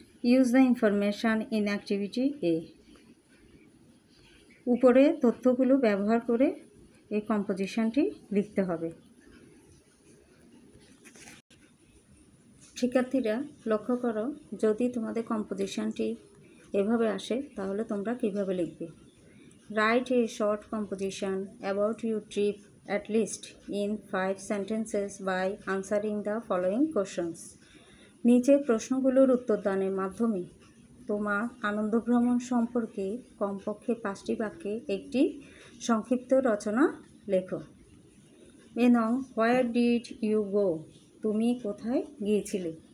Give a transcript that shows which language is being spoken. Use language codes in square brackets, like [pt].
[en] use the information in activity A, [bn] উপরে তথ্যগুলো ব্যবহার করে এই কম্পোজিশনটি লিখতে হবে। শিক্ষার্থীরা লক্ষ্য করো, যদি তোমাদের কম্পোজিশনটি এভাবে আসে তাহলে তোমরা কীভাবে লিখবে। [en] Write a short composition about your trip at least in 5 sentences by answering the following questions. [bn] নিচে প্রশ্নগুলোর উত্তরদানের মাধ্যমে তোমার আনন্দ ভ্রমণ সম্পর্কে কমপক্ষে 5টি বাক্যে একটি সংক্ষিপ্ত রচনা লেখো। [en] বিনং where did you go, [bn] তুমি কোথায় গিয়েছিলে।